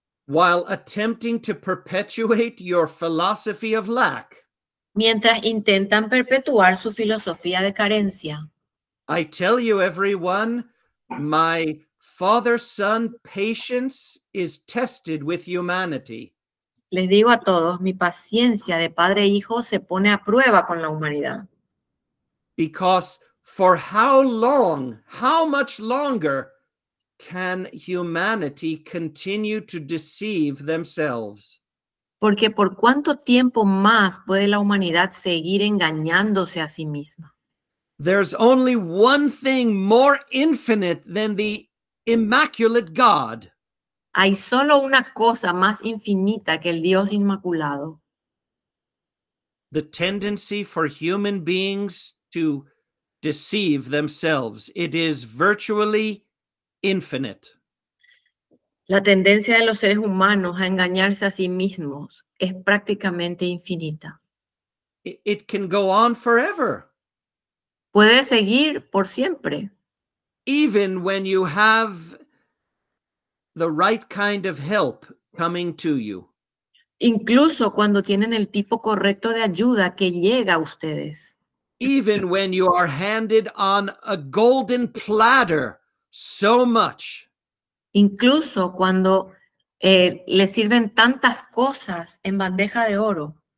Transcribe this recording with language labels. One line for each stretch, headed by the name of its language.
English: While attempting to perpetuate your philosophy of lack.
Spanish: Mientras intentan perpetuar su filosofía de carencia.
English: I tell you everyone, my father-son patience is tested with humanity.
Spanish: Les digo a todos, mi paciencia de padre e hijo se pone a prueba con la humanidad.
English: Because for how long, how much longer can humanity continue to deceive themselves?
Spanish: Porque por cuánto tiempo más puede la humanidad seguir engañándose a sí misma?
English: There's only one thing more infinite than the Immaculate God.
Spanish: Hay solo una cosa más infinita que el Dios Inmaculado.
English: The tendency for human beings to deceive themselves. It is virtually infinite.
Spanish: La tendencia de los seres humanos a engañarse a sí mismos es prácticamente infinita.
English: It can go on forever.
Spanish: Puede seguir por siempre.
English: Even when you have the right kind of help coming to you.
Spanish: Incluso cuando tienen el tipo correcto de ayuda que llega a ustedes.
English: Even when you are handed on a golden platter so much.
Spanish: Incluso cuando le sirven tantas cosas en bandeja de oro.